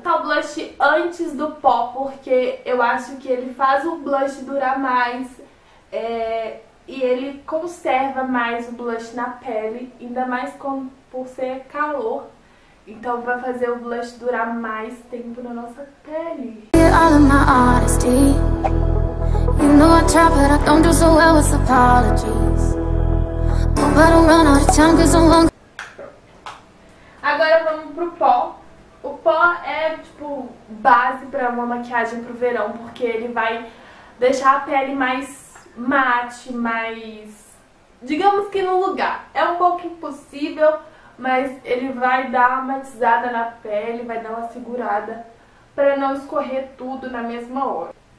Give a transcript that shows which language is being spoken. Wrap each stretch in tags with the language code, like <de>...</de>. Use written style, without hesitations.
<pt>Tá o blush antes do pó, porque eu acho que ele faz o blush durar mais, e ele conserva mais o blush na pele, ainda mais com, por ser calor. Então vai fazer o blush durar mais tempo na nossa pele.</pt> <en>All of my honesty. You know I try, but I don't do so well with apologies. But I run out of time because I'm long.</en> <pt>Agora vamos pro pó. O pó é tipo base pra uma maquiagem pro verão, porque ele vai deixar a pele mais mate, mais, digamos que no lugar. É um pouco impossível. Mas ele vai dar uma matizada na pele, vai dar uma segurada pra não escorrer tudo na mesma hora.</pt>